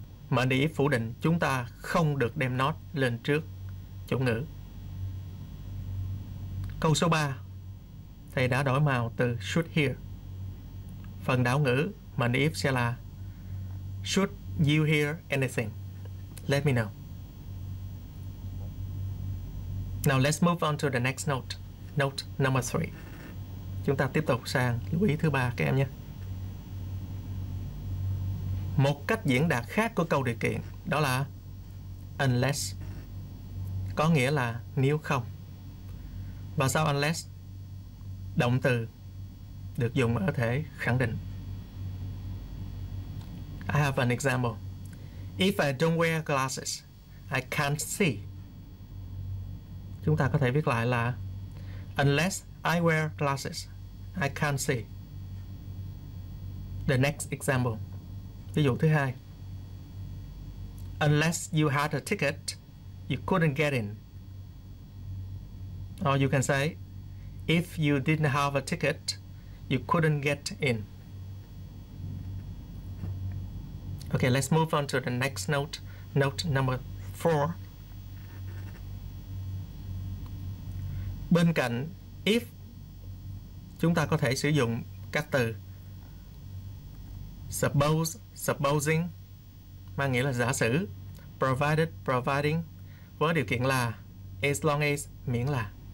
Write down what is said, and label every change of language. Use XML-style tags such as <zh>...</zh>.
<vi>Mệnh đề if phủ định, chúng ta không được đem not lên trước chủ ngữ. Câu số 3. Thầy đã đổi màu từ should here. Phần đảo ngữ mệnh đề if sẽ là</vi> <en>Should you hear anything? Let me know. Now let's move on to the next note. Note number 3.</en> <vi>Chúng ta tiếp tục sang lưu ý thứ 3 các em nhé. Một cách diễn đạt khác của câu điều kiện đó là unless, có nghĩa là nếu không. Và sau unless, động từ được dùng ở thể khẳng định.</vi> <en>I have an example. If I don't wear glasses, I can't see.</en> <vi>Chúng ta có thể viết lại là</vi> <en>unless I wear glasses, I can't see. The next example.</en> <vi>Ví dụ thứ hai.</vi> <en>Unless you had a ticket, you couldn't get in. Or you can say, if you didn't have a ticket, you couldn't get in. Okay, let's move on to the next note, note number 4.</en> <vi>Bên cạnh if, chúng ta có thể sử dụng các từ suppose, supposing, mang nghĩa là giả sử, provided, providing, với điều kiện là, as long as, miễn là.</vi>